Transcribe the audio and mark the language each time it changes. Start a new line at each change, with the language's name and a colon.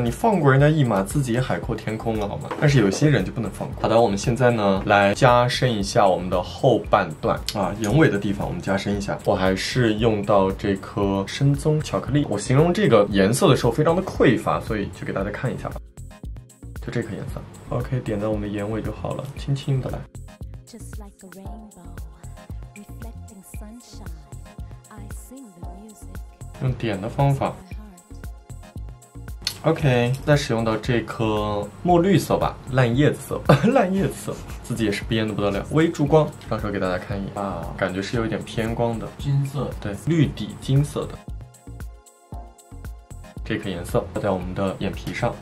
Chinese: 你放过人家一马，自己也海阔天空了好吗？但是有些人就不能放过。好的，我们现在呢来加深一下我们的后半段啊，眼尾的地方我们加。加深一下，我还是用到这颗深棕巧克力。我形容这个颜色的时候非常的匮乏，所以就给大家看一下吧，就这颗颜色。 OK， 点在我们的眼尾就好了，轻轻的来。
English: Just like a rainbow, reflecting sunshine, I sing the music.
Chinese: 用点的方法。 OK， 再使用到这颗墨绿色吧，烂叶子色，烂叶子色。自己也是编的不得了，微珠光，上手给大家看一眼啊，感觉是有一点偏光的金色，对，绿底金色的这颗颜色画在我们的眼皮上。